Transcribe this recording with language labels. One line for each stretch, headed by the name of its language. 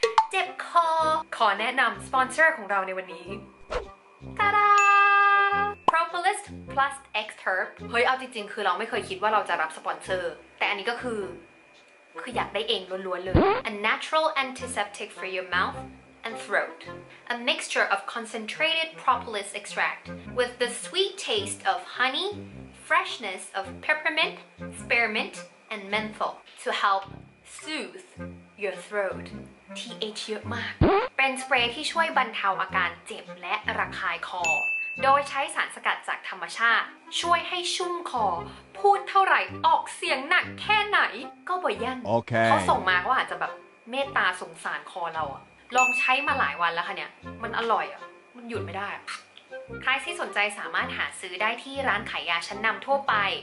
Thai: เจ็บคอขอแนะนำสปอนเซอร์ของเราในวันนี้ตาดา Propolis Plus Xterp เฮ้ยเอาจริงๆคือเราไม่เคยคิดว่าเราจะรับสปอนเซอร์แต่อันนี้ก็คืออยากได้เองล้วนๆเลย
English: A natural antiseptic for your mouthand throat. A mixture of concentrated propolis extract with the sweet taste of honey, freshness of peppermint, spearmint, and menthol to help soothe your throat.
Thai: TH เยอะมาก เป็นสเปรย์ที่ช่วยบรรเทาอาการเจ็บและระคายคอโดยใช้สารสกัดจากธรรมชาติช่วยให้ชุ่มคอพูดเท่าไหร่ออกเสียงหนักแค่ไหนก็บ่ยั่น
English: okay.
Thai: เขาส่งมาก็อาจจะแบบเมตตาสงสารคอเราอะลองใช้มาหลายวันแล้วค่ะเนี่ยมันอร่อยอ่ะมันหยุดไม่ได้ใครที่สนใจสามารถหาซื้อได้ที่ร้านขายยาชั้นนำทั่วไป